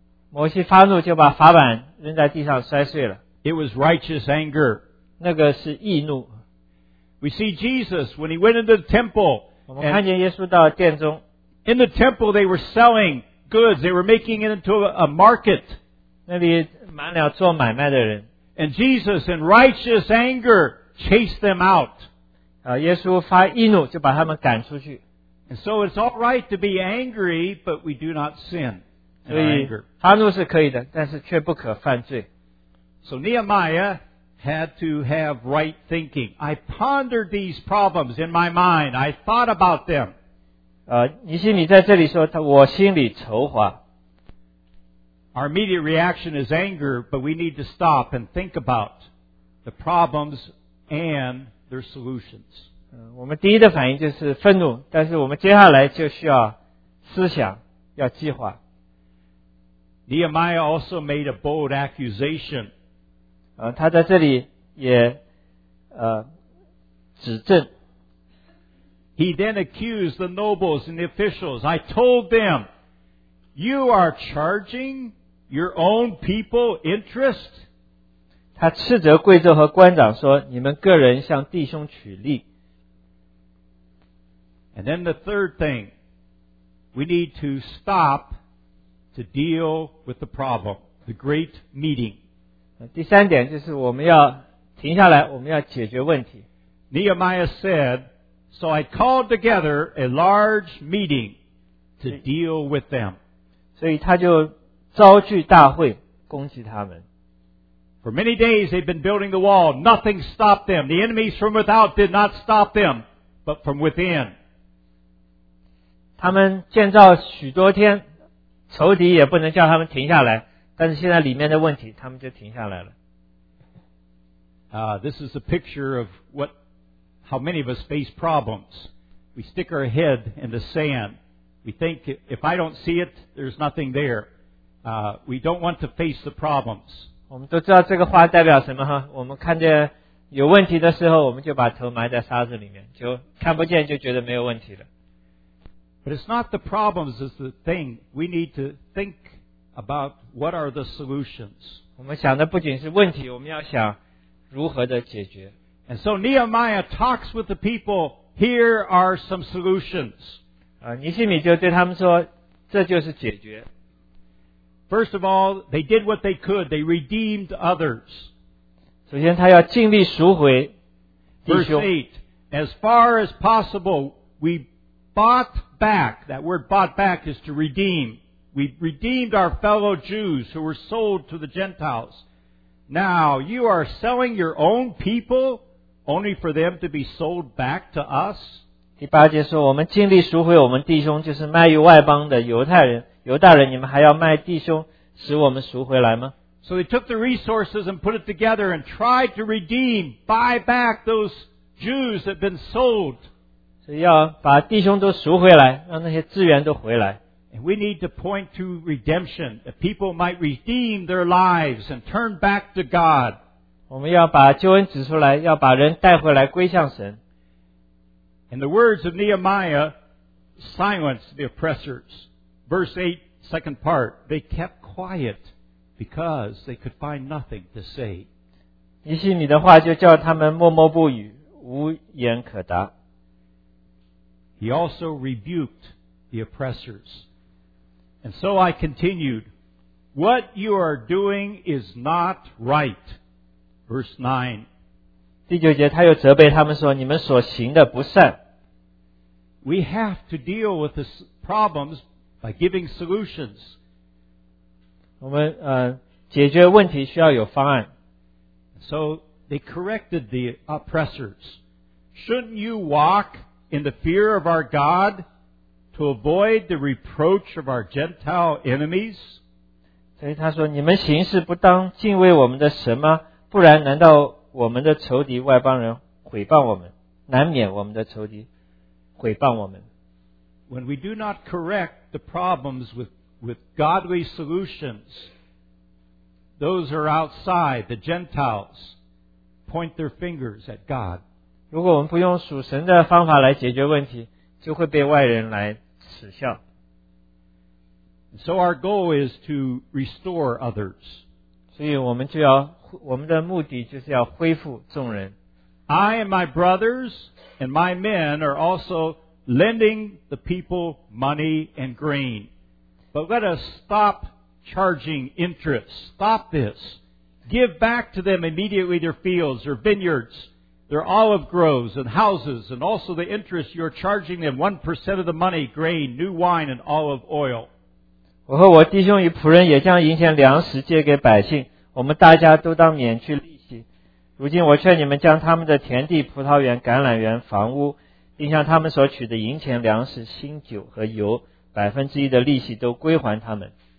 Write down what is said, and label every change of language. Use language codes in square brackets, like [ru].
[zh] 摩西发怒就把法板扔在地上摔碎了 [en] It was righteous anger. [zh] 那个是义怒 [en] We see Jesus when he went into the temple. [zh] 我们看见耶稣到殿中。 [en] In the temple, they were selling goods. They were making it into a market. [zh] 那里满了做买卖的人。 [en] And Jesus, in righteous anger, chased them out. [zh] 耶稣发义怒就把他们赶出去。 [en] And so it's all right to be angry, but we do not sin. [zh] 所以发怒是可以的，但是却不可犯罪。 [en] So Nehemiah,had to have right thinking. I pondered these problems in my mind. I thought about them. [zh] 尼希米在这里说他我心里筹划。 [en] Our immediate reaction is anger, but we need to stop and think about the problems and their solutions. [zh] 我们第一的反应就是愤怒，但是我们接下来就需要思想，要计划。 [en] Nehemiah also made a bold accusation. [zh] 他在这里也指证。 [en] He then accused the nobles and the officials. I told them, you are charging your own people interest. [zh] 他斥责贵胄和官长说，你们个人向弟兄取利。 [en] And then the third thing, we need to stop to deal with the problem, the great meeting. [zh] 第三点就是我们要停下来，我们要解决问题。 [en] Nehemiah said, So I called together a large meeting to deal with them. [zh] 所以他就召聚大会攻击他们。 [en] For many days they've been building the wall. Nothing stopped them. The enemies from without did not stop them, but from within. [zh] 他们建造许多天，仇敌也不能叫他们停下来，但是现在里面的问题，他们就停下来了。 [en] This is a picture of how many of us face problems. We stick our head in the sand. We think, if I don't see it, there's nothing there. We don't want to face the problems. [zh] 我们都知道这个话代表什么哈？我们看见有问题的时候，我们就把头埋在沙子里面，就看不见，就觉得没有问题了。 [en] But it's not the problems is the thing. We need to think about what are the solutions. [zh] 我们想的不仅是问题，我们要想如何的解决。 [en] And so Nehemiah talks with the people. Here are some solutions. [zh] 尼希米就对他们说，这就是解决。 [en] First of all, they did what they could. They redeemed others. [zh] 首先他要尽力赎回弟兄。 [en] Verse 8, as far as possible, we bought back. That word bought back is to redeem. We redeemed our fellow Jews who were sold to the Gentiles. Now, you are selling your own people only for them to be sold back to us? [zh] 第八节说，我们尽力赎回我们弟兄，就是卖于外邦的犹太人。犹大人，你们还要卖弟兄，使我们赎回来吗？ [en] So they took the resources and put it together and tried to redeem, buy back those Jews that had been sold. [zh] 所以要把弟兄都赎回来，让那些资源都回来。 [en] And we need to point to redemption, that people might redeem their lives and turn back to God. [zh] 我们要把救恩指出来，要把人带回来归向神。 [en] In the words of Nehemiah, silence the oppressors. Verse 8, second part, they kept quiet because they could find nothing to say. [zh] 尼希米的话就叫他们默默不语，无言可答。 [en] He also rebuked the oppressors. And so I continued, what you are doing is not right. Verse 9. [zh] 第九节他又责备他们说，你们所行的不善。 [en] We have to deal with the problems. By giving solutions. [zh] 我们解决问题需要有方案。 [en] So they corrected the oppressors. Shouldn't you walk in the fear of our God to avoid the reproach of our Gentile enemies? [zh] 所以他说，你们行事不当敬畏我们的神吗？不然难道我们的仇敌外邦人毁谤我们，难免我们的仇敌毁谤我们。 [en] When we do not correct the problems with godly solutions, those who are outside, the Gentiles, point their fingers at God. [zh] 如果我们不用属神的方法来解决问题，就会被外人来耻笑。 [en] So our goal is to restore others. [zh] 所以我们就要，我们的目的就是要恢复众人。 [en] I and my brothers and my men are also lending the people money and grain. But let us stop charging interest. Stop this. Give back to them immediately their fields, their vineyards, their olive groves and houses, and also the interest you're charging them, 1% of the money, grain, new wine and olive oil. [zh] 我和我弟兄与仆人也将银钱粮食借给百姓，我们大家都当免去利息。如今我劝你们将他们的田地、葡萄园、橄榄园、房屋并向他们所取的银钱、粮食、新酒和油，1%的利息都归还他们。